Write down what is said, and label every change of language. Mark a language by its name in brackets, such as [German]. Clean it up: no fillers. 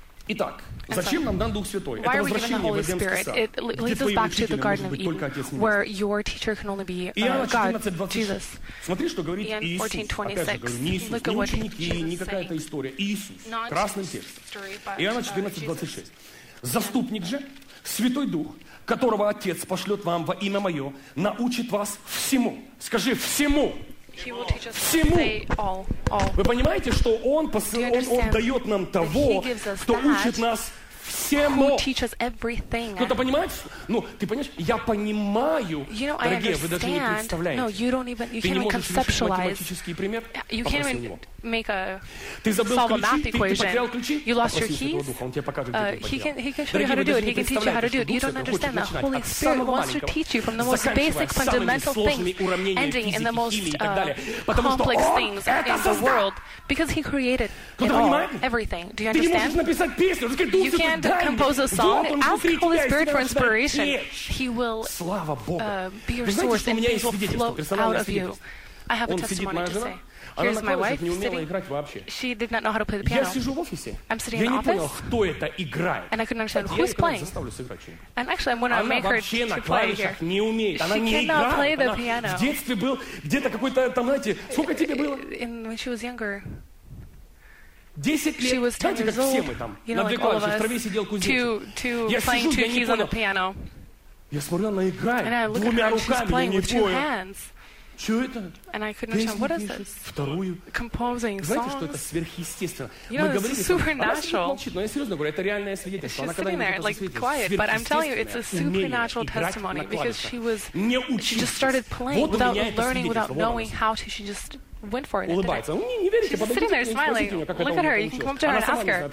[Russian] Итак, зачем нам дан Дух Святой? [English] Why are we given the Holy Spirit? It leads us back to the Garden of Eden, where your teacher can only be God, Jesus. [Russian] Смотри, что говорит Иисус. 14:26. Не Иисус, не ученики, не какая-то история. Иисус, красным текстом. Иоанна 14:26. Заступник же, Святой Дух, которого Отец пошлет вам во имя Мое, научит вас всему. Скажи, всему! [English] He will teach us [Russian] всему. [English] All. [Russian] Вы понимаете, что Он посылает, Он дает нам того, кто учит нас всему. Кто-то понимает? Ну, ты понимаешь? Я понимаю, [English] you know, [Russian] дорогие, вы даже не представляете. Ты не можешь решить математический пример? Попроси у него. Ты забыл ключи? [English] Equation. [Russian] Ты потерял ключи? Попроси Святого Духа, Он тебе покажет, как это поделать. Дорогие, вы даже не представляете, что Дух хочет начинать от самого малого, заканчивая самыми сложными уравнениями физики, химии и так далее. Потому что Он это создал. Кто-то понимает? Ты не можешь написать песню, разве Дух Святой? [English] And compose a song, ask Holy Spirit for inspiration. He will be your source and things will flow out of you. I have a testimony to say. Here's my wife sitting. She did not know how to play the piano. I'm sitting in the office. And I couldn't understand who's playing. And actually, I'm going to make her to play here. She cannot play the piano. When she was younger, [Russian] 10 лет. [English] She was 10 [Russian] знаете, как все мы там, [English] you know, [Russian] на две [English] like [Russian] клавиши, в траве сидел кузнечик. Я сижу, я не понял. [English] Piano. [Russian] Я смотрю, она играет двумя руками, я не понял. Что это? [English] And I couldn't understand, what is this? [Russian] Вторую. [English] Composing songs. [Russian] Знаете, что это сверхъестественно? [English] You know, this is supernatural. [Russian] Она молчит, но я серьезно говорю, это реальное свидетельство. [English] She's sitting there, like, quiet, but I'm telling you, it's a supernatural testimony, because she just started playing without learning, without knowing how to, she just... went for it. [Russian] Улыбается. Ну, не верите, [English] she's sitting there smiling. Look at her. You can come to her and ask her.